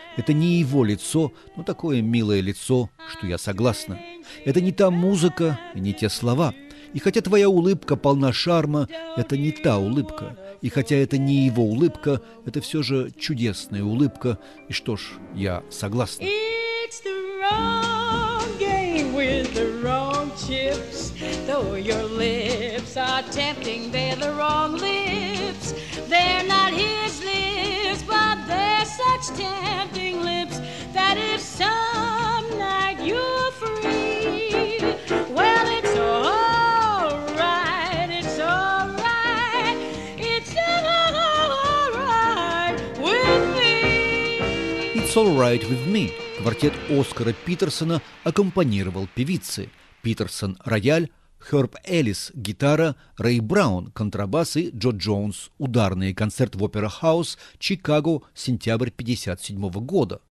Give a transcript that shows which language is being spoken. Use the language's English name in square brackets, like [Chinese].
[Russian] Это не его лицо, но такое милое лицо, что я согласна. Это не та музыка и не те слова. И хотя твоя улыбка полна шарма, это не та улыбка. И хотя это не его улыбка, это все же чудесная улыбка. И что ж, я согласна. [English] It's the wrong game with the wrong chips. Though your lips are tempting, they're the wrong lips. They're not his lips, but they're such tempting lips that if some night you're free, well, it's all right, it's all right, it's all right with me. It's all right with me. [Russian] Квартет Оскара Питерсона аккомпанировал певицы. Питерсон – рояль, Херб Эллис – гитара, Рэй Браун – контрабас и Джо Джонс – ударные. Концерт в Опера Хаус, Чикаго, сентябрь 1957 года.